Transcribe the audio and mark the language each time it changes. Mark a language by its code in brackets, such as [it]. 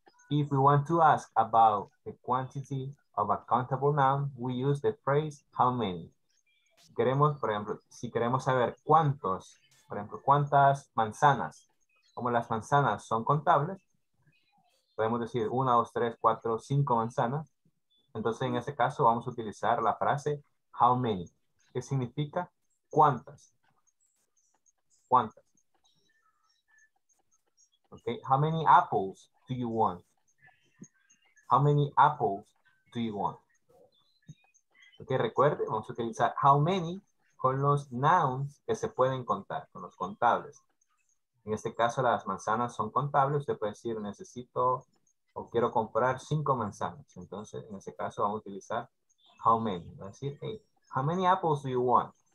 [en] If we want to ask about the quantity of a countable noun, we use the phrase how many. [es] Queremos, por ejemplo, si queremos saber cuántos, por ejemplo, cuántas manzanas, como las manzanas son contables, podemos decir 1, 2, 3, 4, 5 manzanas. Entonces, en ese caso, vamos a utilizar la frase how many, que significa cuántas. Cuántas. [en] Okay. How many apples do you want? How many apples do you want? [es] Ok, recuerde, vamos a utilizar how many con los nouns que se pueden contar, con los contables. En este caso, las manzanas son contables. Usted puede decir, necesito o quiero comprar 5 manzanas. Entonces, en ese caso, vamos a utilizar how many. Va a decir, [en] hey, how many apples do you want?